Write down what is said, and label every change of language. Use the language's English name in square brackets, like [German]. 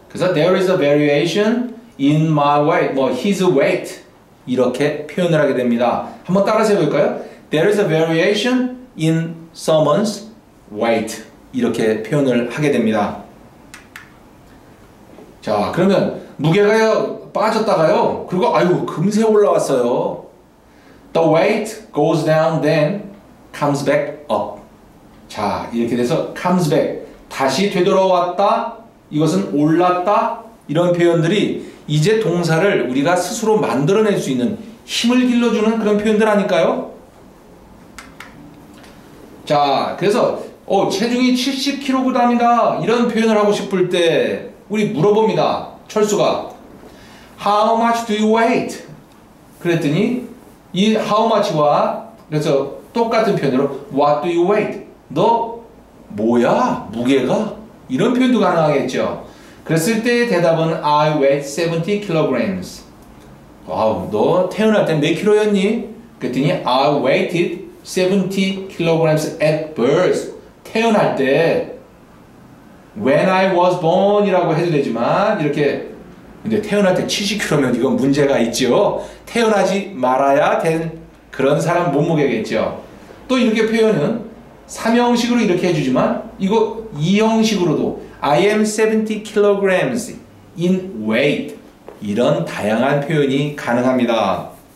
[Korean] 그래서 [English] there is a variation in my weight, 뭐 his weight [Korean] 이렇게 표현을 하게 됩니다. 한번 따라해 볼까요? [English] There is a variation in someone's weight [Korean] 이렇게 표현을 하게 됩니다. 자, 그러면 무게가 빠졌다가요. 그리고 아유 금세 올라왔어요. [English] The weight goes down then comes back up. [Korean] 자, 이렇게 돼서 comes back 다시 되돌아왔다. 이것은 올랐다. 이런 표현들이 이제 동사를 우리가 스스로 만들어낼 수 있는 힘을 길러주는 그런 표현들 아닐까요? 자, 그래서 체중이 70kg이다 이런 표현을 하고 싶을 때 우리 물어봅니다. 철수가 [English] How much do you weight? [Korean] 그랬더니 이 How much와 그래서 똑같은 표현으로 [English] What do you weight? [Korean] 너 뭐야? 무게가? 이런 표현도 가능하겠죠. 그랬을 때의 대답은 [English] I weigh 70kg. [Korean] 와우, 너 태어날 때 몇 킬로였니? 그랬더니 [English] I weighed 70kg at birth. [Korean] 태어날 때 [English] When I was born [Korean] 이라고 해도 되지만 이렇게 근데 태어날 때 70kg면 이건 문제가 있죠. 태어나지 말아야 된 그런 사람 몸무게겠죠. 또 이렇게 표현은 3형식으로 이렇게 해주지만 이거 2형식으로도 [English] I am 70kg in weight [Korean] 이런 다양한 표현이 가능합니다.